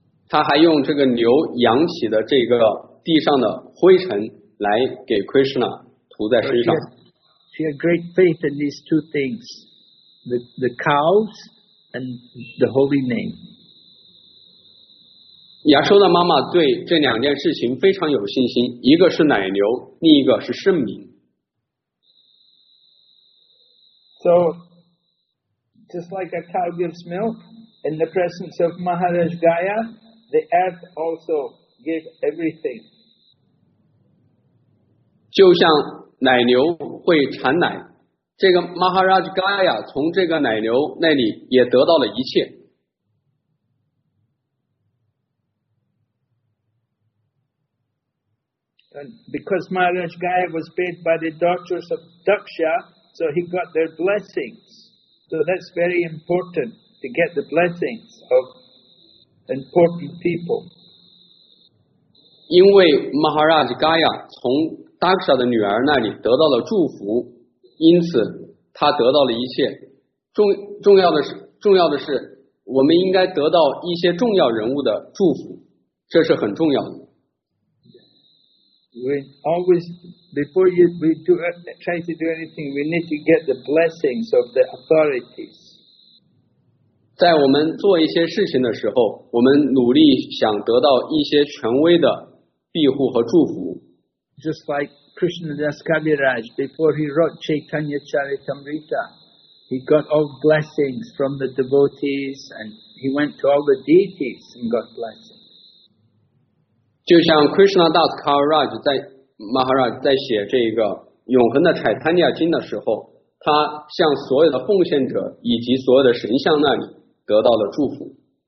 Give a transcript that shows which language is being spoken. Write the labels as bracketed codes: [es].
[zh] 他还用这个牛扬起的这个地上的灰尘来给 Krishna 涂在身上。 [en] She had great faith in these two things, the cows and the holy name. [zh] 亚修的妈妈对这两件事情非常有信心，一个是奶牛，另一个是圣名。 [en] So. Just like a cow gives milk, in the presence of Maharaj Gaya, the earth also gives everything. [zh] 就像奶牛会产奶，这个 Maharaj Gaya 从这个奶牛那里也得到了一切。 [en] And because Maharaj Gaya was bathed by the daughters of Daksha, so he got their blessings. So that's very important to get the blessings of important people. [zh] 因为 Maharaj Gaya 从 Daksha 的女儿那里得到了祝福，因此他得到了一切。重要的是，我们应该得到一些重要人物的祝福，这是很重要的。 [en] We always, before you, we do, try to do anything, we need to get the blessings of the authorities. [zh] 在我们做一些事情的时候，我们努力想得到一些权威的庇护和祝福。 [en] Just like Krishnadas Kaviraj, before he wrote Chaitanya Charitamrita, he got all blessings from the devotees and he went to all the deities and got blessings. [zh] 就像 Krishnadas Kaviraj 在 Maharaj 在写这个永恒的 Chaitanya 经的时候，他向所有的奉献者以及所有的神像那里得到了祝福。